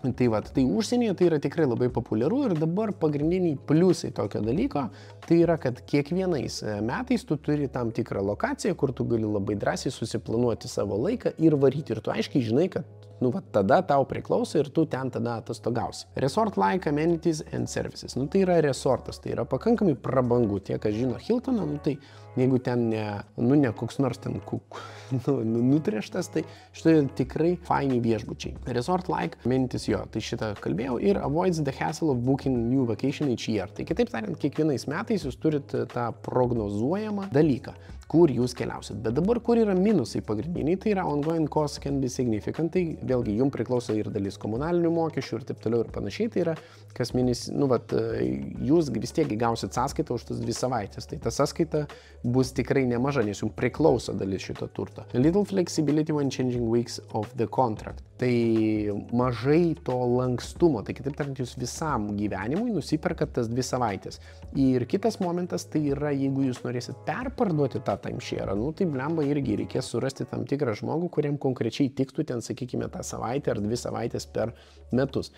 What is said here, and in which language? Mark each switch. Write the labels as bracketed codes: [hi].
[lt] Tai vat, tai užsienyje tai yra tikrai labai populiaru ir dabar pagrindiniai pliusai tokio dalyko, tai yra, kad kiekvienais metais tu turi tam tikrą lokaciją, kur tu gali labai drąsiai susiplanuoti savo laiką ir varyti ir tu aiškiai žinai, kad nu va, tada tau priklauso ir tu ten tada atostogausi. [en] Resort like amenities and services. [lt] Nu tai yra resortas, tai yra pakankamai prabangu. Tie, kas žino Hiltoną, nu tai jeigu ten ne, nu ne koks nors ten nutrieštas, tai šitai tikrai faini viešbučiai. [en] Resort like amenities, [lt] jo, tai šitą kalbėjau. [en] Ir avoids the hassle of booking new vacation each year. [lt] Tai kitaip tariant, kiekvienais metais jūs turit tą prognozuojamą dalyką, kur jūs keliausit. Bet dabar, kur yra minusai pagrindiniai, tai yra [en] ongoing costs can be significant. [lt] Tai vėlgi, jums priklauso ir dalis komunalinių mokesčių ir taip toliau ir panašiai. Tai yra, kas minis, nu vat, jūs vis tiek gausit sąskaitą už tas dvi savaitės. Tai ta sąskaita bus tikrai nemaža, nes jums priklauso dalis šito turto. [en] A little flexibility when changing weeks of the contract. [lt] Tai mažai to lankstumo. Tai kitaip tarp, jūs visam gyvenimui nusiperkat tas dvi savaitės. Ir kitas momentas, tai yra, jeigu jūs norėsit perparduoti tą timeshare, nu tai blemba irgi reikės surasti tam tikrą žmogų, kuriam konkrečiai tiktų ten, sakykime, tą savaitę ar dvi savaitės per metus.